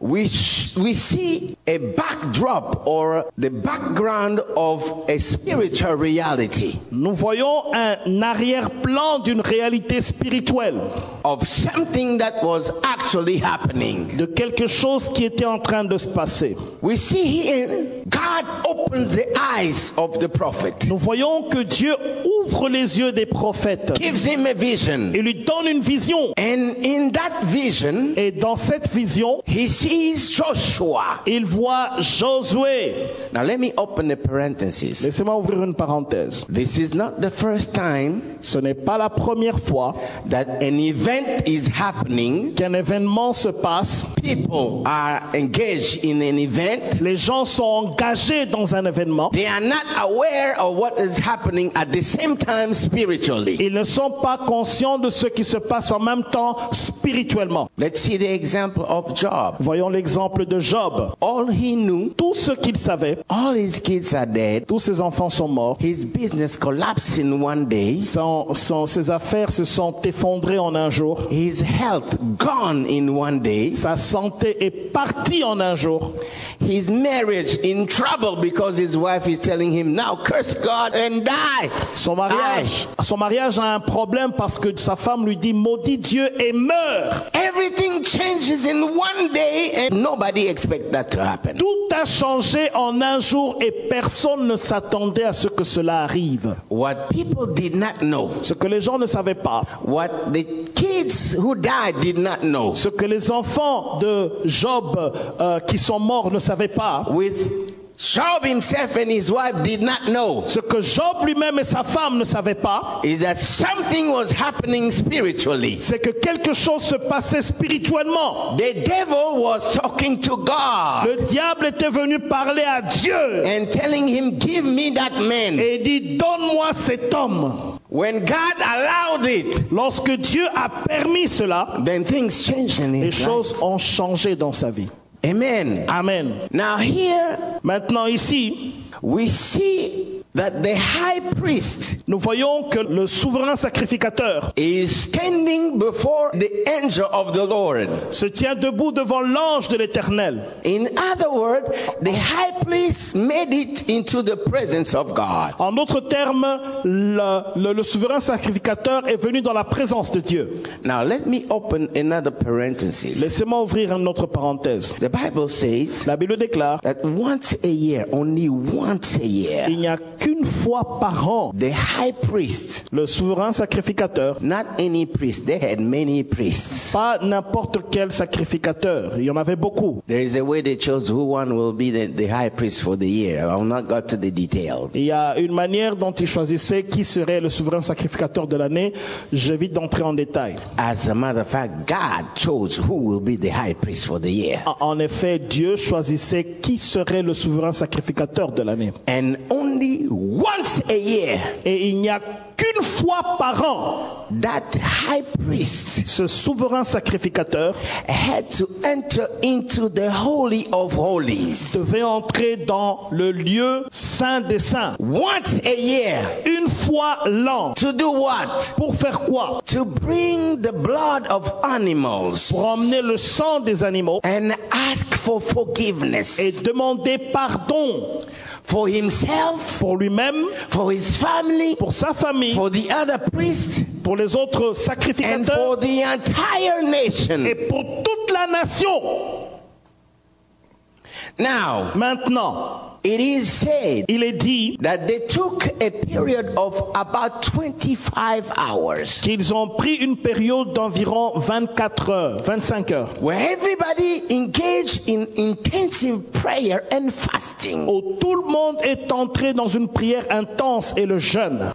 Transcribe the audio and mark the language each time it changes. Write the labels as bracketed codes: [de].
[en] We see a backdrop or the background of a spiritual reality. [fr] Nous voyons un arrière-plan d'une réalité spirituelle. [en] Of something that was actually happening. [fr] De quelque chose qui était en train de se passer. [en] We see here God opens the eyes of the prophet. [fr] Nous voyons que Dieu ouvre les yeux des prophètes. [en] Gives him a vision. [fr] Il lui donne une vision. [en] And in that vision, [fr] et dans cette vision, [en] he sees Joshua. [fr] Il voit Josué. [en] Now let me open the parenthesis. [fr] Laissez-moi ouvrir une parenthèse. [en] This is not the first time. [fr] Ce n'est pas la première fois [en] that an event is happening. [fr] Qu'un événement se passe. [en] People are engaged in an event. [fr] Les gens sont engagés dans un événement. [en] They are not aware of what is happening at the same time spiritually. [fr] Ils ne sont pas conscients de ce qui se passe en même temps spirituellement. [en] Let's see the example of Job. [fr] Voyons l'exemple de Job. [en] All he knew, [fr] tout ce qu'il savait, [en] all his kids are dead, [fr] tous ses enfants sont morts, [en] his business collapsed in one day, [fr] ses affaires se sont effondrées en un jour, [en] his health gone in one day, [fr] sa santé est partie en un jour, [en] his marriage in trouble because his wife is telling him, now curse God and die. [fr] Son mariage a un problème parce que sa femme lui dit, maudit Dieu et meurt. [en] Everything changes in one day and nobody expects that to happen. [fr] Tout a changé en un jour et personne ne s'attendait à ce que cela arrive. [en] What people did not know. [fr] Ce que les gens ne savaient pas. [en] What the kids who died did not know. [fr] Ce que les enfants de Job qui sont morts ne savaient pas. [en] With Job himself and his wife did not know. [fr] Ce que Job lui-même et sa femme ne savaient pas, [en] is that something was happening spiritually. [fr] C'est que quelque chose se passait spirituellement. [en] The devil was talking to God. [fr] Le diable était venu parler à Dieu. [en] And telling him, "Give me that man." [fr] Et dit, donne-moi cet homme. [en] When God allowed it, [fr] lorsque Dieu a permis cela, [en] then things changed in his life. [fr] Les choses ont changé dans sa vie. [en] Amen. [fr] Amen. [en] Now here, [fr] maintenant ici, [en] we see that the high priest, [fr] nous voyons que le souverain sacrificateur, [en] is standing before the angel of the Lord, [fr] se tient debout devant l'ange de l'Éternel. [en] In other words, the high priest made it into the presence of God. [fr] En d'autres termes, le souverain sacrificateur est venu dans la présence de Dieu. [en] Now let me open another parenthesis. [fr] Laissez-moi ouvrir une autre parenthèse. [en] The Bible says, [fr] la Bible déclare, [en] that once a year, only once a year, [fr] il n'y a qu'une fois par an, [en] the high priest, [fr] le souverain sacrificateur, [en] not any priest, they had many priests, [fr] pas n'importe quel sacrificateur, il y en avait beaucoup. [en] There is a way they chose who one will be the high priest for the year. I've not got to the detail. [fr] Il y a une manière dont ils choisissaient qui serait le souverain sacrificateur de l'année. J'évite d'entrer en détail. [en] As a matter of fact, God chose who will be the high priest for the year. [fr] En effet, Dieu choisissait qui serait le souverain sacrificateur de l'année. [en] And only once a year, [fr] et il n'y a qu'une fois par an, [en] that high priest, [fr] ce souverain sacrificateur, [en] had to enter into the holy of holies, [fr] devait entrer dans le lieu saint des saints, [en] once a year, [fr] une fois l'an, [en] to do what, [fr] pour faire quoi, [en] to bring the blood of animals, [fr] pour emmener le sang des animaux, [en] and ask for forgiveness, [fr] et demander pardon. [en] For himself, [fr] pour lui-même, [en] for his family, [fr] pour sa famille, [en] for the other priest, [fr] pour les autres sacrificateurs, [en] and for the entire nation, [fr] et pour toute la nation. [en] Now, [fr] maintenant, [en] it is said, [fr] il est dit, [en] that they took a period of about 25 hours, [fr] qu'ils ont pris une période d'environ 24 heures, 25 heures, [en] where everybody engaged in intensive prayer and fasting, [fr] où tout le monde est entré dans une prière intense et le jeûne.